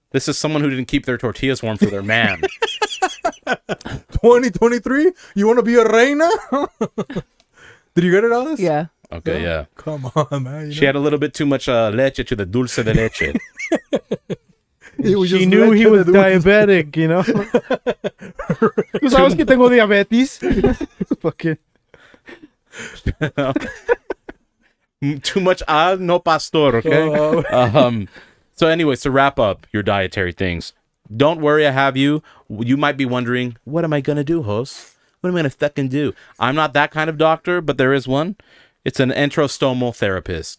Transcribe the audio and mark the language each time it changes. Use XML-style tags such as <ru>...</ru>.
<en>This is someone who didn't keep their tortillas warm for their man. 2023? You want to be a reina? Did you get it, Alice? Yeah. Okay, yeah. Come on, man. You she know. Had a little bit too much leche to the dulce de leche. She knew he was diabetic, you know?</en> <es>Tú sabes que tengo diabetes.</es> <en>Fucking. Too much al no pastor, okay? So anyway, to wrap up your dietary things, don't worry, I have you. You might be wondering, what am I going to do, host? What am I going to fucking do? I'm not that kind of doctor, but there is one. It's an enterostomal therapist.</en>